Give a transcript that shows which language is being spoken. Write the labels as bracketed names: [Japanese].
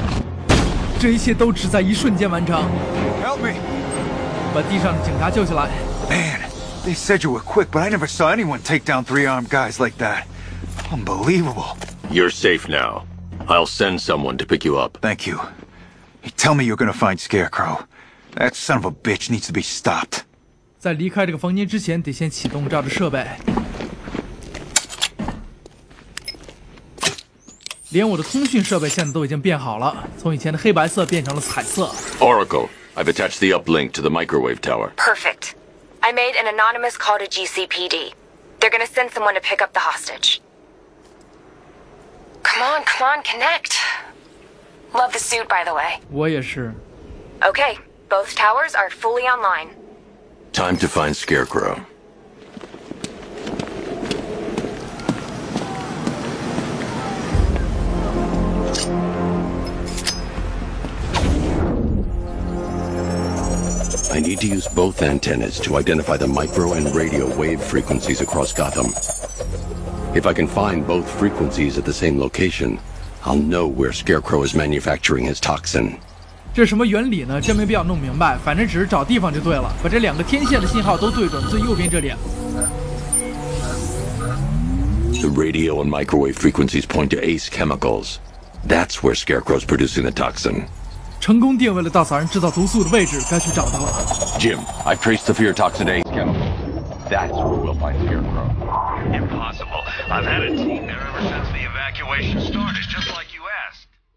[Chinese] 现在我可以同时击倒三个敌人，干掉第一个之后，立刻选择第二个闪着金光的目标，然后最后一个。这一切都只在一瞬间完成。 [English] Help me! [Chinese] 把地上的警察叫起来。 [English] Man, they said you were quick, but I never saw anyone take down three armed guys like that. Unbelievable. You're safe now. I'll send someone to pick you up. Thank you. Hey, tell me you're gonna find Scarecrow. That son of a bitch needs to be stopped. [Chinese] 在离开这个房间之前，得先启动这儿的设备。连我的通讯设备现在都已经变好了，从以前的黑白色变成了彩色。Oracle, [English] I've attached the uplink to the microwave tower. Perfect. I made an anonymous call to GCPD. They're gonna send someone to pick up the hostage. Come on, connect. Love the suit, by the way. [Chinese] 我也是。 [English] Okay, both towers are fully online. Time to find Scarecrow. I need to use both antennas to identify the micro and radio wave frequencies across Gotham. If I can find both frequencies at the same location, I'll know where Scarecrow is manufacturing his toxin. [Chinese] 这什么原理呢？真没必要弄明白，反正只是找地方就对了。把这两个天线的信号都对准最右边这里。 [English] The radio and microwave frequencies point to Ace Chemicals. That's where Scarecrow's producing the toxin. [Chinese] 成功定位了稻草人制造毒素的位置，该去找他了。Jim, [English] I've traced the fear toxin to Ace Chemicals. That's where we'll find Scarecrow. Impossible. I've had a team there ever since the evacuation started, just like you asked.